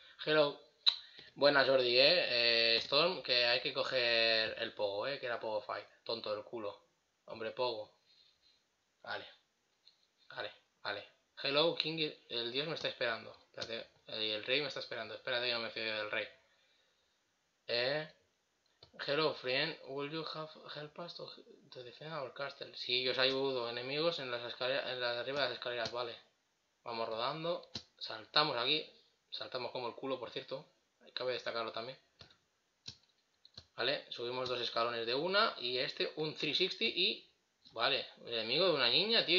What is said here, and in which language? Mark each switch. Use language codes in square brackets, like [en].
[es] Hello. Buenas, Jordi, Storm, que hay que coger el Pogo, que era Pogo Fight. Tonto del culo. Hombre, Pogo. Vale. Vale, vale. Hello, King, el dios me está esperando. Espérate, el rey me está esperando. Espérate, yo no me fío del rey. [en] Hello, friend, will you have help us to defend our castle? [es] Sí, yo os ayudo, enemigos en las escaleras, en las arriba de las escaleras, vale. Vamos rodando. Saltamos aquí. Saltamos como el culo, por cierto. Cabe destacarlo también. Vale, subimos dos escalones de una. Y este, un 360. Y, vale, el enemigo de una niña, tío.